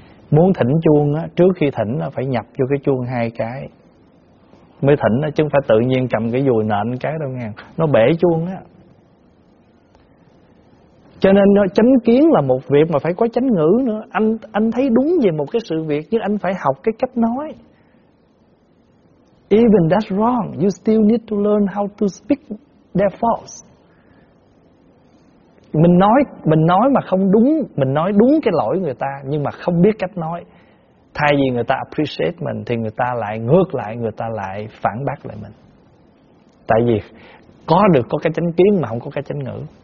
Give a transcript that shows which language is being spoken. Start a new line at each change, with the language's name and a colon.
Vietnamese: Muốn thỉnh chuông á, trước khi thỉnh là phải nhập vô cái chuông hai cái mới thỉnh á, chứ không phải tự nhiên cầm cái dùi nện cái đâu nghe, nó bể chuông á. Cho nên chánh kiến là một việc mà phải có chánh ngữ nữa. Anh thấy đúng về một cái sự việc nhưng anh phải học cái cách nói.
English: Even that's wrong, you still need to learn how to speak their faults.
Vietnamese: Mình nói mà không đúng, mình nói đúng cái lỗi người ta nhưng mà không biết cách nói. Thay vì người ta appreciate mình thì người ta lại ngược lại, người ta lại phản bác lại mình. Tại vì có được có cái chánh kiến mà không có cái chánh ngữ.